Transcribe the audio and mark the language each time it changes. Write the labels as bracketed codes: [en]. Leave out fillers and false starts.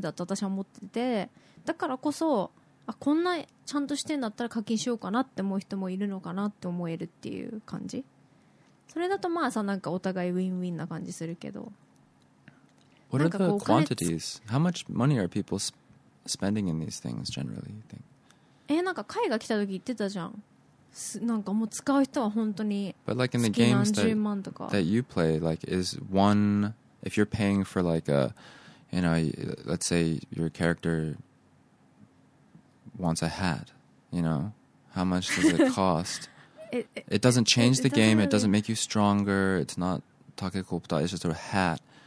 [ja] でもそれは、それこそガチャみたいなのをやろうと思えばできるようになってて、なんかね、それこそガチャみたいなのをやろうと思えばできるようになってて、なんかレアキャラが当たるかもみたいなとか、まあそういうのに課金してるんだろうけど、別にしなくても全然先に進めるようになってるから、でもあまりにもコンテンツも多いし、なんていうの、すごい有料ゲームだった私は思ってて、だからこそ、 あ、こんなちゃんとしてんだったら課金しようかなって思う人もいるのかなって思えるっていう感じ。それだとまあさ、なんかお互いウィンウィンな感じするけど。 [en] What are the quantities? How much money are people spending in these things generally, you think? [ja] なんか海が来た時言ってたじゃん。なんかもう使う人は本当に [en] But like in the games that you play, like is one, if you're paying for like a, you know, let's say your character wants a hat, you know, how much does it cost? it doesn't change the game, really. It doesn't make you stronger, it's not takekulpta, it's just a hat.